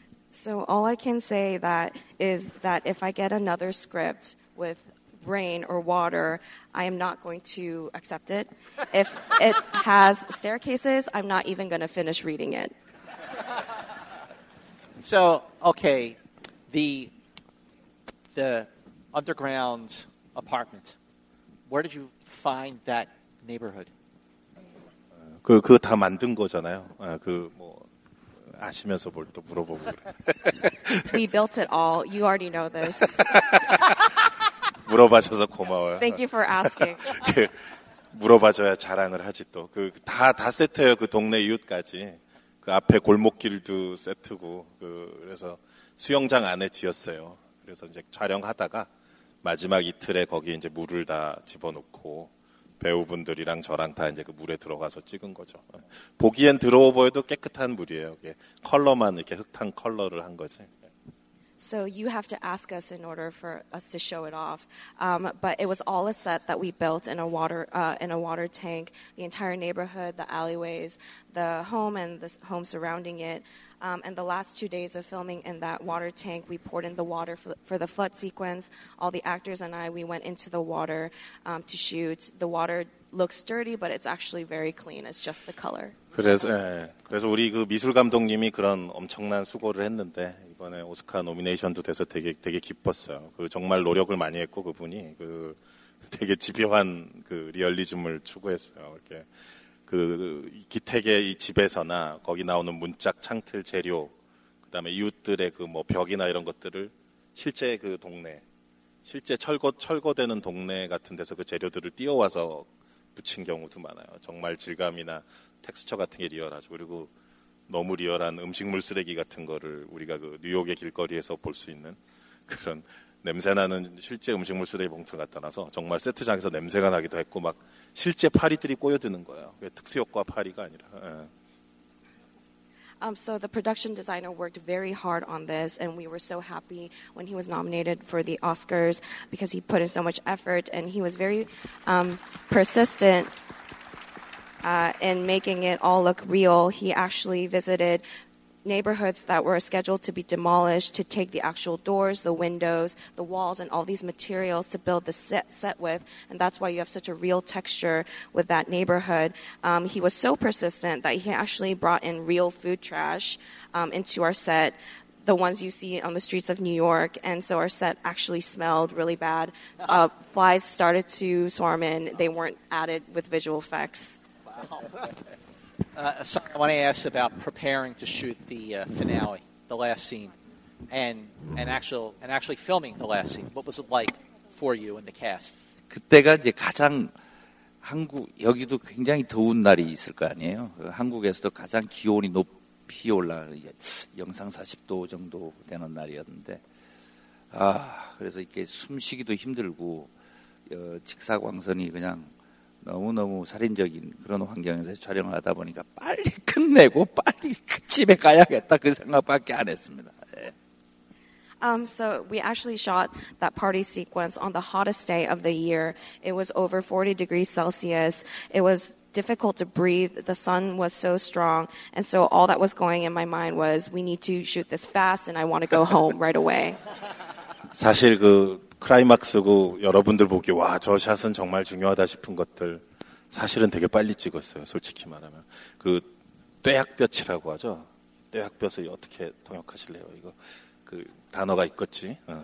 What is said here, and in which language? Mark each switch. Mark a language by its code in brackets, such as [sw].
[en] So all I can say that is that if I get another script with rain or water, I am not going to accept it. If it has staircases, I'm not even going to finish reading it. So okay, the underground apartment. Where did you find that neighborhood? [ko] 그 다 만든 거잖아요. 아, 그 뭐 아시면서 뭘 또 물어보고 그래. [en] We built it all. You already know this. [ko] 물어봐줘서 고마워요. [en] Thank you for asking. 그, [ko] 물어봐줘야 자랑을 하지 또. 그 다 세트예요. 그 동네 이웃까지. 그 앞에 골목길도 세트고. 그 그래서 수영장 안에 지었어요. 그래서 이제 촬영하다가 마지막 이틀에 거기 이제 물을 다 집어넣고. 배우분들이랑 저랑 다 이제 그 물에 들어가서 찍은 거죠. 보기엔 더러워 보여도 깨끗한 물이에요. 이게 컬러만 이렇게 흙탕 컬러를 한 거지. [en] So you have to ask us in order for us to show it off. But it was all a set that we built in a water tank. The entire neighborhood, the alleyways, the home and the home surrounding it. And the last 2 days of filming in that water tank, we poured in the water for the flood sequence. All the actors and I, we went into the water to shoot. The water looks dirty, but it's actually very clean. It's just the color. [ko] 그래서, 예. 그래서 우리 그 미술 감독님이 그런 엄청난 수고를 했는데 이번에 오스카 노미네이션도 돼서 되게 기뻤어요. 그 정말 노력을 많이 했고 그분이 그 되게 집요한 그 리얼리즘을 추구했어요. 이렇게 그 기택의 이 집에서나 거기 나오는 문짝 창틀 재료, 그다음에 이웃들의 그 뭐 벽이나 이런 것들을 실제 그 동네, 실제 철거되는 동네 같은 데서 그 재료들을 띄워와서 붙인 경우도 많아요. 정말 질감이나 텍스처 같은 게 리얼하죠. 그리고 너무 리얼한 음식물 쓰레기 같은 거를 우리가 그 뉴욕의 길거리에서 볼 수 있는 그런 냄새나는 실제 음식물 쓰레기 봉투를 갖다 놔서 정말 세트장에서 냄새가 나기도 했고 막 실제 파리들이 꼬여드는 거예요. 특수효과 파리가 아니라. 예. [en] So the production designer worked very hard on this and we were so happy when he was nominated for the Oscars because he put in so much effort and he was very persistent. And making it all look real, he actually visited neighborhoods that were scheduled to be demolished to take the actual doors, the windows, the walls, and all these materials to build the set with. And that's why you have such a real texture with that neighborhood. He was so persistent that he actually brought in real food trash into our set, the ones you see on the streets of New York. And so our set actually smelled really bad. Flies started to swarm in. They weren't added with visual effects. So I want to ask about preparing to shoot the finale, the last scene, and actually filming the last scene. What was it like for you and the cast? [ko] 그때가 이제 가장 한국 여기도 굉장히 더운 날이 있을 거 아니에요. 한국에서도 가장 기온이 높이 올라 영상 40도 정도 되는 날이었는데 아 그래서 이렇게 숨쉬기도 힘들고 직사광선이 그냥 너무너무 살인적인 그런 환경에서 촬영을 하다 보니까 빨리 끝내고 빨리 집에 가야겠다 그 생각밖에 안 했습니다. 예. [en] So we actually shot that party sequence on the hottest day of the year. It was over 40 degrees Celsius. It was difficult to breathe. The sun was so strong. And so all that was going in my mind was we need to shoot this fast and I want to go home right away. [ko] 사실 그 크라이막스고 여러분들 보기 와 저 샷은 정말 중요하다 싶은 것들 사실은 되게 빨리 찍었어요. 솔직히 말하면 그 떼약볕이라고 하죠. 떼약볕을 어떻게 통역하실래요? 이거 그 단어가 있겠지.